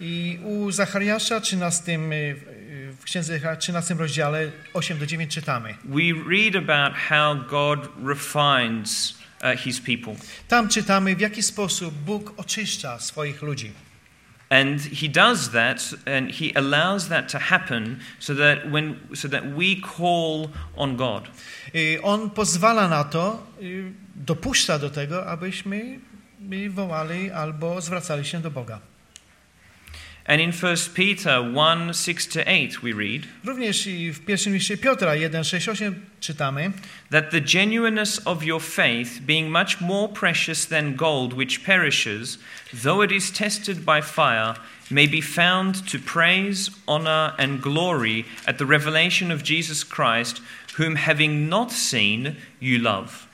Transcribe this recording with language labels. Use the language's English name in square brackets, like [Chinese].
[Polish] I u Zachariasza 13 w księdze 13 rozdziale 8-9 czytamy. [English] We read about how God refines his people. [Polish] Tam czytamy, w jaki sposób Bóg oczyszcza swoich ludzi. [English] And he does that, and he allows that to happen, so that we call on God. [Polish] On pozwala na to, dopuszcza do tego, abyśmy wołali albo zwracali się do Boga. [English] And in 1 Peter 1:6-8 we read. [Polish] Również i w pierwszym liście Piotra 1:6-8 czytamy. [English] That the genuineness of your faith, being much more precious than gold which perishes, though it is tested by fire, may be found to praise, honor and glory at the revelation of Jesus Christ, whom having not seen, you love.